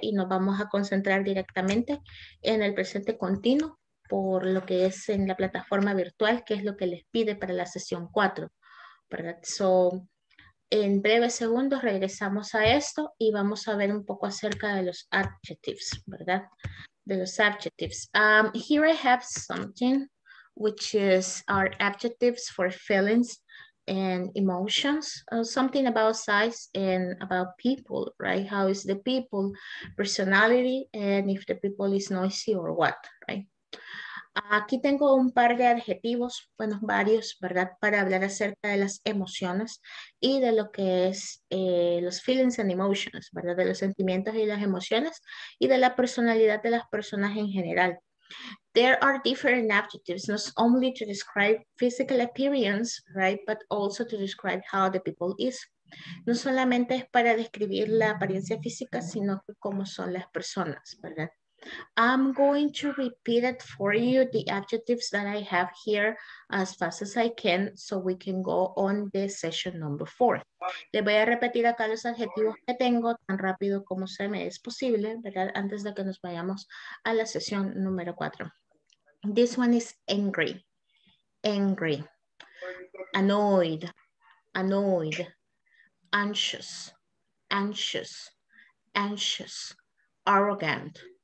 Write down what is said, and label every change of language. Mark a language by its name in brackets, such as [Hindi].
[Spanish] Y nos vamos a concentrar directamente en el presente continuo por lo que es en la plataforma virtual, que es lo que les pide para la sesión 4. ¿Verdad? So, en breves segundos regresamos a esto y vamos a ver un poco acerca de los adjectives, ¿verdad? De los adjectives. [English] Here I have something, which is our adjectives for feelings and emotions. Something about size and about people, right? How is the people personality and if the people is noisy or what, right? [Spanish] Aquí tengo un par de adjetivos, bueno, varios, ¿verdad? Para hablar acerca de las emociones y de lo que es los [English] feelings and emotions, [Spanish] ¿verdad? De los sentimientos y las emociones y de la personalidad de las personas en general. [English] There are different adjectives, not only to describe physical appearance, right? But also to describe how the people is. [Spanish] No solamente es para describir la apariencia física, sino cómo son las personas, ¿verdad? [English] I'm going to repeat it for you, the adjectives that I have here as fast as I can, so we can go on the session number 4. [Spanish] Le voy a repetir acá los adjetivos que tengo tan rápido como se me es posible, ¿verdad? Antes de que nos vayamos a la sesión número 4. [English] This one is angry. Angry. Annoyed. Annoyed. Anxious. Anxious. Anxious. Arrogant.